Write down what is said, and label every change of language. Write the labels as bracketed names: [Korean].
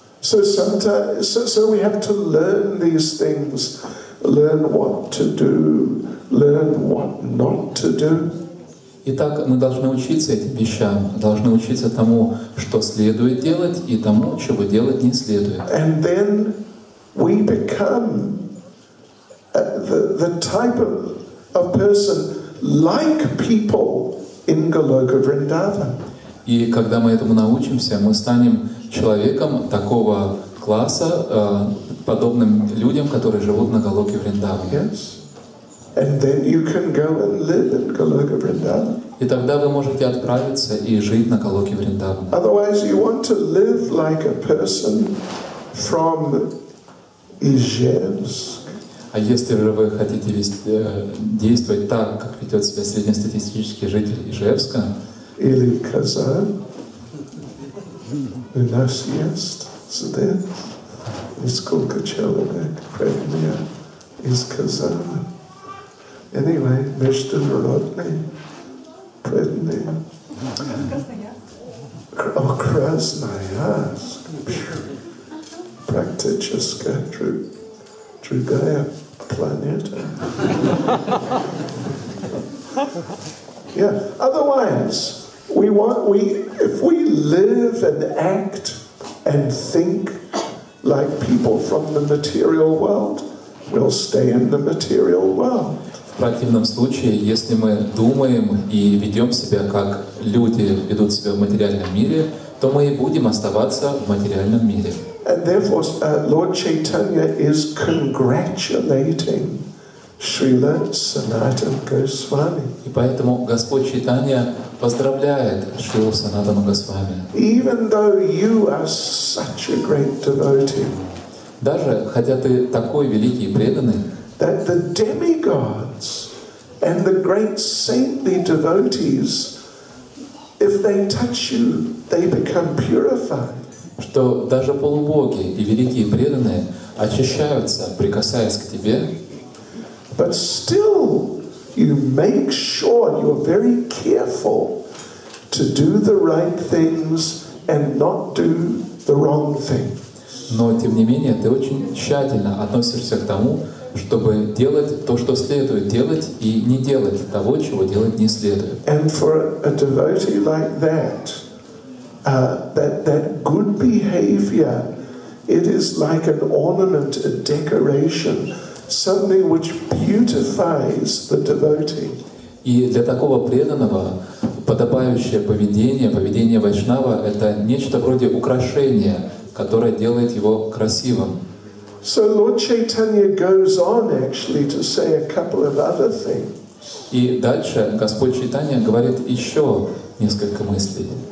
[English] So we have to learn these things, learn what to do, learn what not to do. [Russian] Итак, мы должны учиться этим вещам, должны учиться тому, что следует делать, и тому, чего делать не следует. [English] And then we become the type of person like people in Goloka Vrindavan. [Russian] И когда мы этому научимся, мы станем человеком такого класса, подобным людям, которые живут на Голоке Вриндаване. [English] Yes. And then you can go and live in Goloka Vrindavan. [Russian] И тогда вы можете отправиться и жить на Голоке Вриндаване. [English] Otherwise you want to live like a person from Ижевск. [Russian] А если же вы хотите действовать так, как ведет себя среднестатистический житель Ижевска, или Казан, у нас есть студент из Кулкачевок, Кремния, из Казана. Anyway, международный, Кремния. Красноярск. О, Красноярск. Практическая другая планета. [English] Yeah, otherwise, if we live and act and think like people from the material world, we'll stay in the material world. [Russian] В противном случае, если мы думаем и ведем себя, как люди ведут себя в материальном мире, то мы и будем оставаться в материальном мире. [English] And therefore, Lord Chaitanya is congratulating Srila Sanatana Goswami. [Russian] И поэтому Господь Чайтанья поздравляет Шрилу Санатану Госвами. [English] Even though you are such a great devotee. [Russian] Даже хотя ты такой великий и преданный. [English] That the demigods and the great saintly devotees, if they touch you, they become purified. [Russian] Что даже полубоги и великие преданные очищаются, прикасаясь к тебе. [English] But still, you make sure you're very careful to do the right things and not do the wrong thing. [Russian] Но тем не менее ты очень тщательно относишься к тому, чтобы делать то, что следует делать, и не делать того, чего делать не следует. [English] And for a devotee like that, that good behavior, it is like an ornament, a decoration, something which beautifies the devotee. [Russian] И для такого преданного подобающее поведение вайшнава, это нечто вроде украшения, которое делает его красивым. [English] So Lord Chaitanya goes on actually to say a couple of other things. [Russian] И дальше Господь Чайтанья говорит еще несколько мыслей.